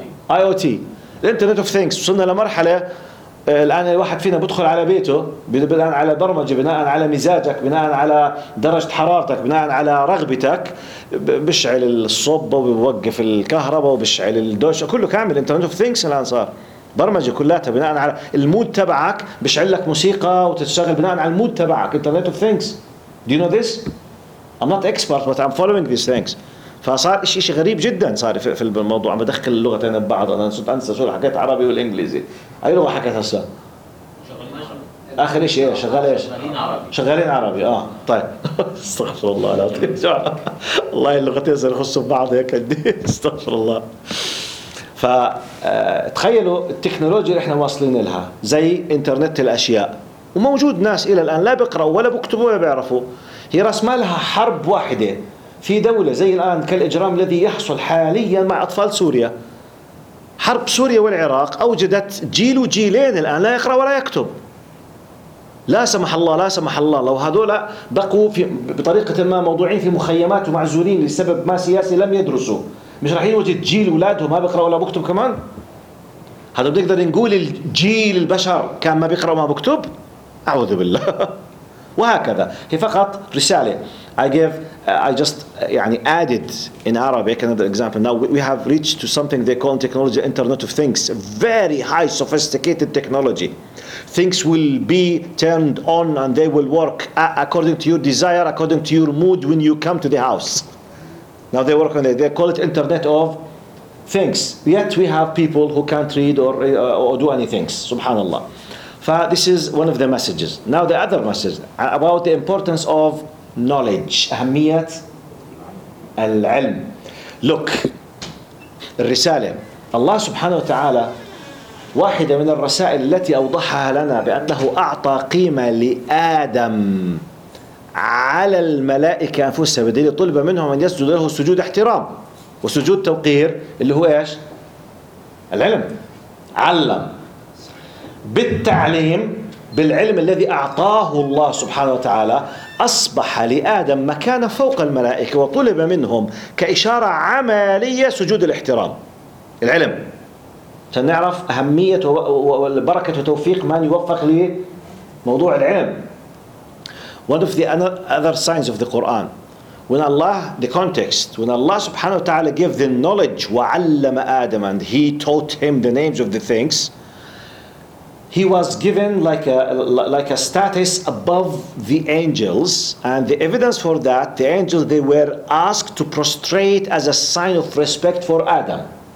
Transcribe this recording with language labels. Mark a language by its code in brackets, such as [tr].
[ar] IoT الانترنت of things وصلنا لمرحلة الآن الواحد فينا بدخل على بيته بناء على برمجة بناء على مزاجك بناء على درجة حرارتك بناء على رغبتك بشعل الصوبة وبوقف الكهرباء وبشعل الدوشة كله كامل انترنت اوف ثينكس الآن صار برمجة كلها بناء على المود تبعك بشعل لك موسيقى وتتشغل بناء على المود تبعك انترنت اوف ثينكس [en] Do you know this? I'm not expert, but I'm following these things. [ar] فصار إشي غريب جدا صار في الموضوع. عم بدخل اللغة أنا ببعض, أنا صرت أنسى شو حكيت عربي والإنجليزي. أي لغة حكيت هسا؟ آخر إشي شغال إيش؟ شغالين عربي. شغالين عربي. طيب استغفر الله العظيم. الله اللغتين صار يخصوا بعض هيك قد استغفر الله. فتخيلوا التكنولوجيا اللي إحنا واصلين لها زي إنترنت الأشياء, وموجود ناس إلى الآن لا بيقرأوا ولا بكتبوا ولا بيعرفوا. هي رسمالها حرب واحدة في دولة زي الآن كالإجرام الذي يحصل حاليا مع أطفال سوريا. حرب سوريا والعراق أوجدت جيل وجيلين الآن لا يقرأ ولا يكتب. لا سمح الله لا سمح الله لو هذولا بقوا في بطريقة ما موضوعين في مخيمات ومعزولين لسبب ما سياسي لم يدرسوا, مش راح يوجد جيل ولادهم ما بيقرأ ولا بكتب كمان؟ هذا بنقدر نقول الجيل البشر كان ما بيقرأ وما بكتب؟ أعوذ بالله. وهكذا هي فقط رسالة. [en] I just يعني added in Arabic another example. Now we have reached to something they call technology Internet of Things, very high sophisticated technology. Things will be turned on and they will work according to your desire, according to your mood when you come to the house. Now they work on it. They call it Internet of Things. Yet we have people who can't read or do anything. Subhanallah. This is one of the messages. Now the other message about the importance of knowledge. [ar] أهمية العلم. [en] Look, [ar] الرسالة. Allah سبحانه وتعالى واحدة من الرسائل التي أوضحها لنا بأنه أعطى قيمة لآدم على الملائكة أنفسها بدليل طلب منهم أن يسجد له سجود احترام وسجود توقير اللي هو إيش؟ العلم. علم بالتعليم بالعلم الذي أعطاه الله سبحانه وتعالى أصبح لآدم مكان فوق الملائكة وطلب منهم كإشارة عملية سجود الاحترام العلم. سنعرف أهمية والبركة وتوفيق من يوفق لموضوع العلم. [en] One of the other signs of the Quran, when Allah, the context, when Allah سبحانه وتعالى gave the knowledge [ar] وعلم آدم [en] and he taught him the names of the things, he was given like a status above the angels, and the evidence for that, the angels, they were asked to prostrate as a sign of respect for Adam.